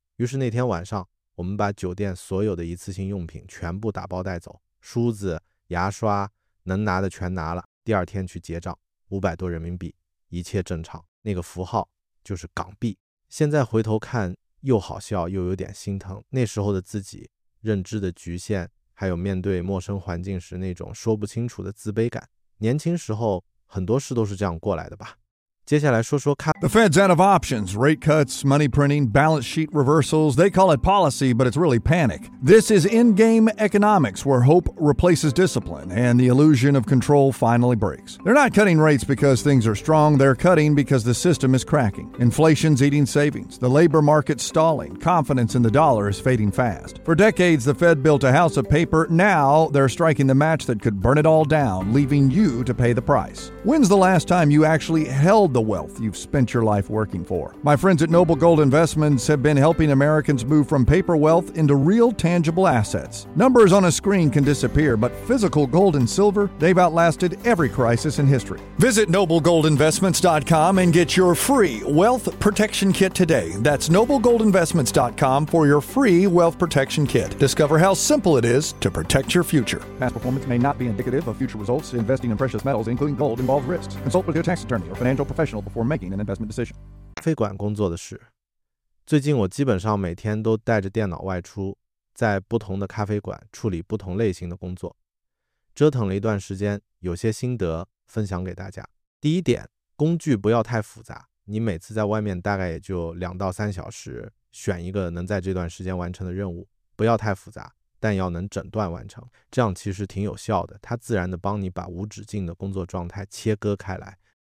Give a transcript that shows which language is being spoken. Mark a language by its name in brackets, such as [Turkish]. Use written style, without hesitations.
[Chinese] 于是那天晚上我们把酒店所有的一次性用品全部打包带走，梳子牙刷能拿的全拿了，第二天去结账，500多人民币，一切正常，那个符号就是港币。现在回头看又好笑又有点心疼，那时候的自己认知的局限，还有面对陌生环境时那种说不清楚的自卑感，年轻时候很多事都是这样过来的吧。接下来说说看 [English] The Fed's out of options. Rate cuts, money printing, balance sheet reversals. They call it policy, but it's really panic. This is in-game economics where hope replaces discipline and the illusion of control finally breaks. They're not cutting rates because things are strong. They're cutting because the system is cracking. Inflation's eating savings. The labor market's stalling. Confidence in the dollar is fading fast. For decades, the Fed built a house of paper. Now they're striking the match that could burn it all down, leaving you to pay the price. When's the last time you actually held the wealth you've spent your life working for? My friends at Noble Gold Investments have been helping Americans move from paper wealth into real tangible assets. Numbers on a screen can disappear, but physical gold and silver, they've outlasted every crisis in history. Visit NobleGoldInvestments.com and get your free wealth protection kit today. That's NobleGoldInvestments.com for your free wealth protection kit. Discover how simple it is to protect your future. Past performance may not be indicative of future results. Investing in precious metals, including gold, involves risks. Consult with your tax attorney or financial professional before making an investment decision. [Chinese] 非管工作的事，最近我基本上每天都带着电脑外出，在不同的咖啡馆处理不同类型的工作，折腾了一段时间，有些心得分享给大家。第一点，工具不要太复杂，你每次在外面大概也就2到3小时，选一个能在这段时间完成的任务，不要太复杂，但要能诊断完成，这样其实挺有效的，它自然的帮你把无止境的工作状态切割开来。